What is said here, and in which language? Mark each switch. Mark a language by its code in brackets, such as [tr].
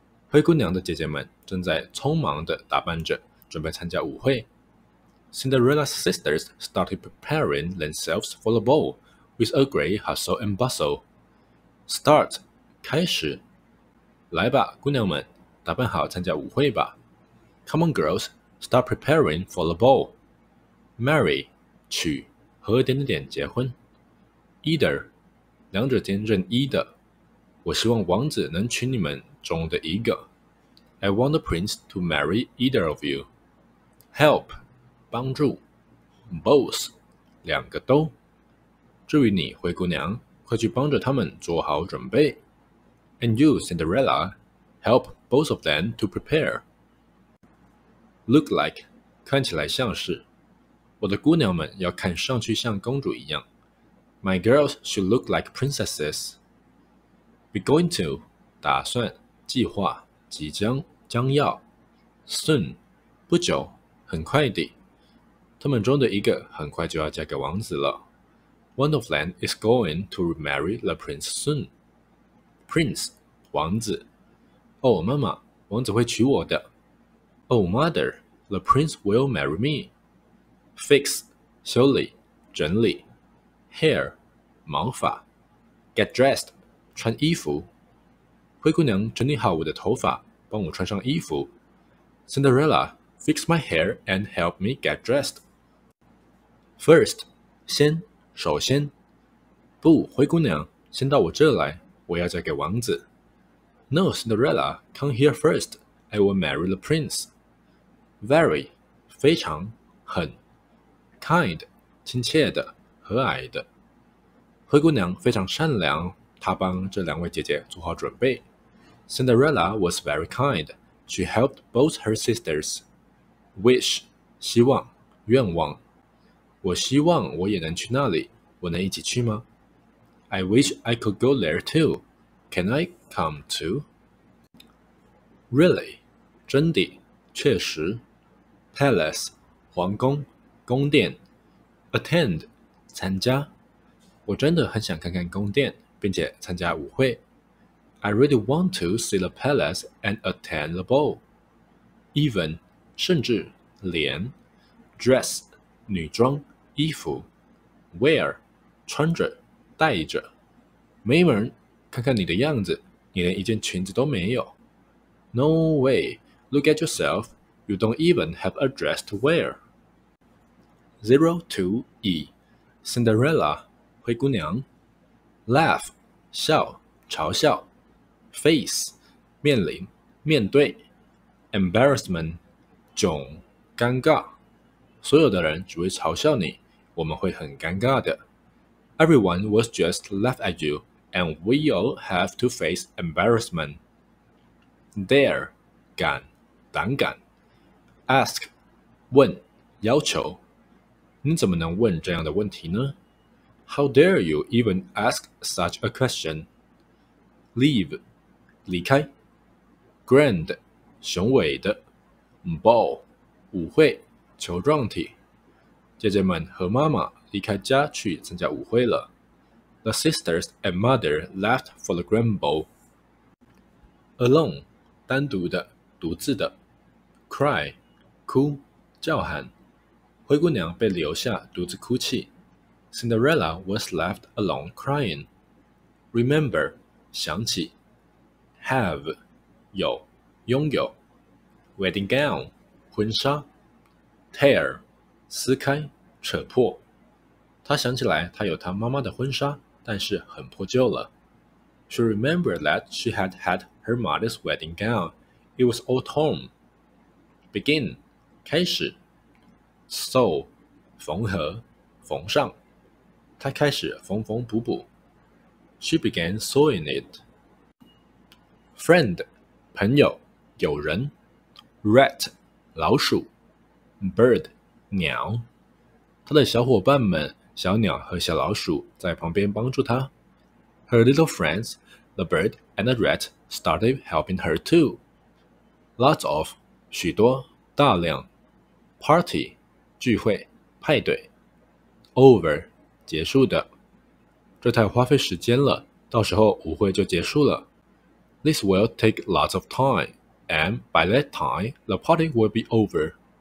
[zh] 灰姑娘的姐姐们正在匆忙地打扮着，准备参加舞会。 [en] Cinderella's sisters started preparing themselves for the ball with a great hustle and bustle. [zh] Start, 开始。来吧，姑娘们，打扮好参加舞会吧。 [en] Come on, girls, start preparing for the ball. [zh] Marry, 娶，和点点点结婚。Either, 两者间任一的。我希望王子能娶你们中的一个。 [en] I want the prince to marry either of you. [zh] Help, 帮助。Both, 两个都。至于你，灰姑娘，快去帮着他们做好准备。 [en] And you, Cinderella, help both of them to prepare. [zh] Look like, 看起来像是。我的姑娘们要看上去像公主一样。 [en] My girls should look like princesses. Be going to, [zh] 打算、计划、即将、将要。 Soon, 不久、很快地。他们中的一个很快就要嫁给王子了。 [en] One of them is going to marry the prince soon. [zh] Prince, 王子。 Oh, 妈妈，王子会娶我的。 [en] Oh, mother, the prince will marry me. Fix, [zh] 修理、整理。 Hair, 毛发。Get dressed, 穿衣服。灰姑娘整理好我的头发，帮我穿上衣服。 [en] Cinderella, fix my hair and help me get dressed. [zh] First, 先。首先，不，灰姑娘，先到我这来，我要嫁给王子。 [en] No, Cinderella, come here first, I will marry the prince. [zh] Very, 非常，很。Kind, 亲切的，和蔼的。灰姑娘非常善良，她帮这两位姐姐做好准备。 [en] Cinderella was very kind, she helped both her sisters. [zh] Wish, 希望，愿望。我希望我也能去那里，我能一起去吗？ [en] I wish I could go there too. Can I come too? [zh] Really, 真的，确实。Palace, 皇宫，宫殿。 Attend, 参加。我真的很想看看宫殿，并且参加舞会。 [en] I really want to see the palace and attend the ball. [zh] Even, 甚至，连。Dress, 女装。衣服 ，wear， 穿着，戴着。没门，看看你的样子，你连一件裙子都没有。 [en] No way, look at yourself, you don't even have a dress to wear. [zh] 02E, Cinderella, 灰姑娘。 Laugh, 笑，嘲笑。Face, 面临，面对。 Embarrassment, 窘，尴尬。所有的人只会嘲笑你。我们会很尴尬的。 [en] Everyone was just laugh at you, and we all have to face embarrassment. [zh] Dare, 敢，胆敢。Ask, 问，要求。你怎么能问这样的问题呢？ [en] How dare you even ask such a question? [zh] Leave, 离开。Grand, 雄伟的。 Ball, 舞会，球状体。姐姐们和妈妈离开家去参加舞会了。 [en] The sisters and mother left for the grand ball. [zh] Alone, 单独的，独自的。Cry, 哭，叫喊。灰姑娘被留下独自哭泣。 [en] Cinderella was left alone crying. Remember, [zh] 想起。 Have, 有，拥有。Wedding gown, 婚纱。 Tear, 撕开。扯破，他想起来他有他妈妈的婚纱，但是很破旧了。 [en] She remembered that she had had her mother's wedding gown. It was all torn. Begin, [zh] 开始。 Sew, 缝合，缝上。他开始缝缝补补， [en] She began sewing it. Friend, [zh] 朋友，友人。 Rat, 老鼠。Bird, 鸟。他的小伙伴们，小鸟和小老鼠在旁边帮助他。 [en] Her little friends, the bird and the rat, started helping her too. [zh] Lots of, 许多，大量。Party, 聚会，派对。 Over, 结束的。这太花费时间了，到时候舞会就结束了。 [en] This will take lots of time, and by that time, the party will be over.